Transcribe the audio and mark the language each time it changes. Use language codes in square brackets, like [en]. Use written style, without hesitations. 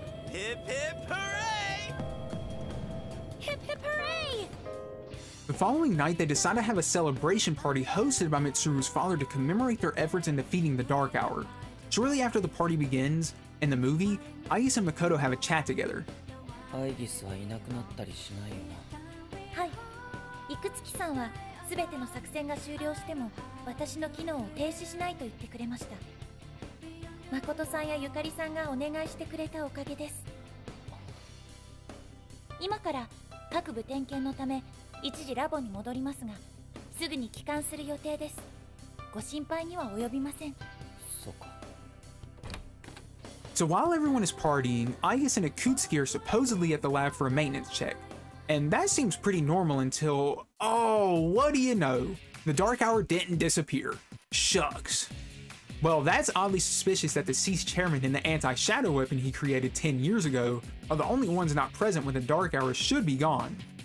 [en] Hip hip hooray! The following night, they decide to have a celebration party hosted by Mitsuru's father to commemorate their efforts in defeating the Dark Hour. Shortly after the party begins, in the movie, Aigis and Makoto have a chat together. [ja] Aigis はいなくなったりしないよな。はい。イクツキさんは、すべての作戦が終了しても、私の機能を停止しないと言ってくれました。誠さんやゆかりさんがお願いしてくれたおかげです。今から、各部点検のため、一時ラボに戻りますが、すぐに帰還する予定です。ご心配には及びません。そうか。 [en] So while everyone is partying, Aigis and Akutsuki are supposedly at the lab for a maintenance check. And that seems pretty normal until... Oh, what do you know? The Dark Hour didn't disappear. Shucks. Well, that's oddly suspicious that the S.E.E.S chairman and the anti-shadow weapon he created 10 years ago are the only ones not present when the Dark Hour should be gone.